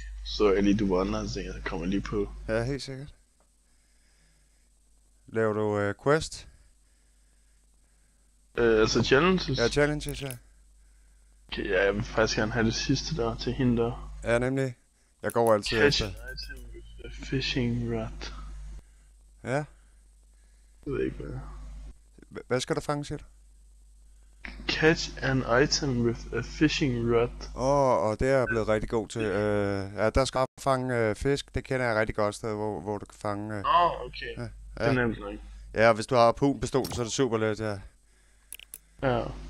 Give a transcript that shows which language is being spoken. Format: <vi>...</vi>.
<da>Så er lige du andre ting, der kommer lige på. Ja, helt sikkert. Laver du quest? Altså challenges? Ja, challenges, ja. Okay, ja, jeg vil faktisk gerne have det sidste der til hende der. Ja, nemlig. Jeg går altid efter.</da> <en>Catch an item with a fishing rod.</en> <da>Ja. Jeg ved ikke hvad. Hvad skal der fange, siger du?</da> <en>Catch an item with a fishing rod.</en> <da>Åh, og det er jeg blevet rigtig god til. Ja, der skal jeg fange fisk. Det kender jeg rigtig godt sted, hvor du kan fange... Åh, okay. Ja. Det er nemt nok. Ja, hvis du har harpunpistolen, så er det super let, ja. Ja.</da>